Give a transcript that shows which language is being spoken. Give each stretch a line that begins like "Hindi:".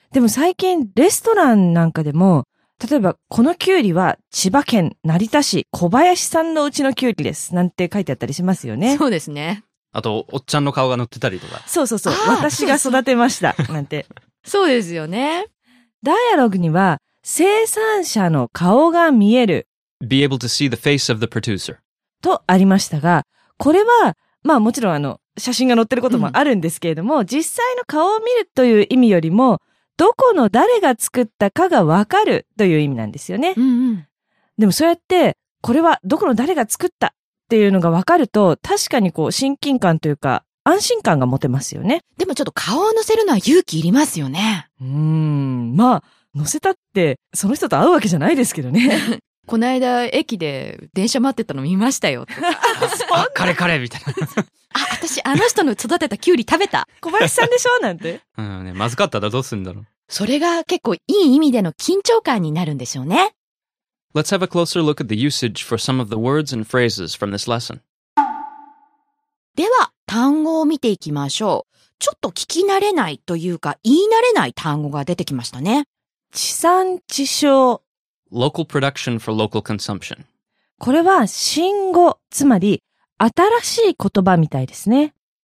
Japanese: でも最近、レストランなんかでも、例えば、このキュウリは千葉県成田市小林さんのうちのキュウリです。なんて書いてあったりしますよね。そうですね。あと、おっちゃんの顔が乗ってたりとか。そうそうそう。私が育てました。なんて。そうですよね。ダイアログには、生産者の顔が見える。
English: be able to see the face of the producer.
Japanese: とありましたが、これは、まあもちろん写真が載ってることもあるんですけれども、うん、実際の顔を見るという意味よりも、どこの誰が作ったかがわかるという意味なんですよね。うんうん、でもそうやって、これはどこの誰が作ったっていうのがわかると、確かにこう親近感というか、安心感が持てますよね。でもちょっと顔を乗せるのは勇気いりますよね。まあ、乗せたって、その人と会うわけじゃないですけどね。こないだ駅で電車待ってたの見ましたよ。あ、彼彼みたいな。あ、私あの人の育てたキュウリ食べた。小林さんでしょなんて。うん、ね、まずかったらどうするんだろう。それが結構いい意味での緊張感になるんでしょうね。
English: Let's have a closer look at the usage for some of the words and phrases from this lesson.
Japanese: では、単語を見ていきましょう。ちょっと聞き慣れないというか、言い慣れない単語が出てきましたね。地産地消。
English: Local production for local consumption.
Japanese: これは新語、つまり新しい言葉みたいですね。